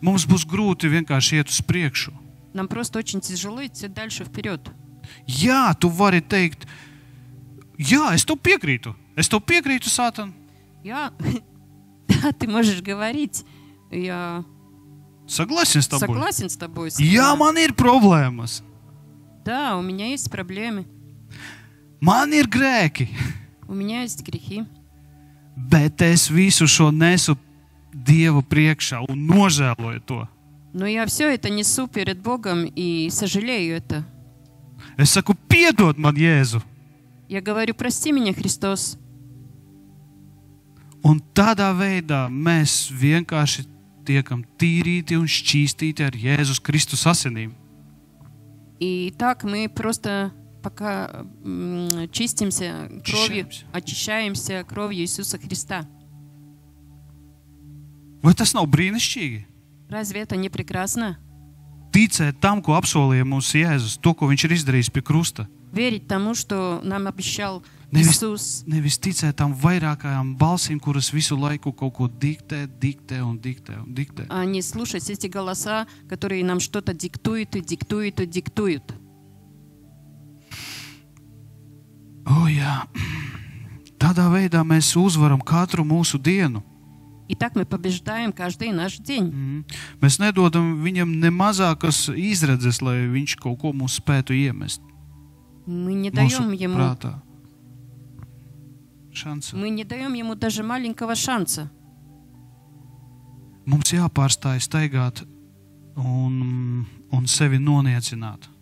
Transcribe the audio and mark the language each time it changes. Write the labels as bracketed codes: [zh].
[lv] Mums būs grūti vienkārši iet uz priekšu. [ru] Нам просто очень тяжело идти дальше вперед. [lv] Jā, tu vari teikt, jā, es tev piekrītu. Es tev piekrītu, Sātan. [ru] Jā, да, ты можешь говорить, я... Согласен с тобой. Согласен с тобой. [lv] Jā, man ir problēmas. [ru] Да, у меня есть проблемы. [lv] Man ir grēki. [ru] У меня есть грехи. [lv] Bet es visu šo nesu Dievu priekšā un nožēloju to. [ru] Но я все это несу перед Богом и сожалею это. [lv] Es saku, piedod man, Jēzu. [ru] Я говорю, прости меня, Христос. [lv] Un tādā veidā mēs vienkārši tiekam tīrīti un šķīstīti ar Jēzus Kristus asinīm. [ru] И так мы просто пока чистимся кровью, очищаемся кровью Иисуса Христа. [lv] Vai tas nav brīnišķīgi? [ru] Разве это не прекрасно? [lv] Ticēt tam, ko apsolīja mums Jēzus, to, ko viņš ir izdarījis pie krusta. [ru] Верить тому, что нам обещал Иисус. [lv] Nevis ticēt tam vairākajām balsīm, kuras visu laiku kaut ko diktē, diktē un diktē un diktē. [ru] А не слушать эти голоса, которые нам что-то диктуют и диктуют и диктуют. О, jā. [lv] Tādā veidā mēs uzvaram katru mūsu dienu. [ru] И так мы побеждаем каждый наш день. Mm-hmm. [lv] Mēs nedodam viņam nemazākas izredzes, lai viņš kaut ko mums spētu iemest. [ru] Мы не даём ему прата. Шанса. Мы не даём ему даже маленького шанса. [lv] Mums jāpārstāj staigāt un sevi noniecināt.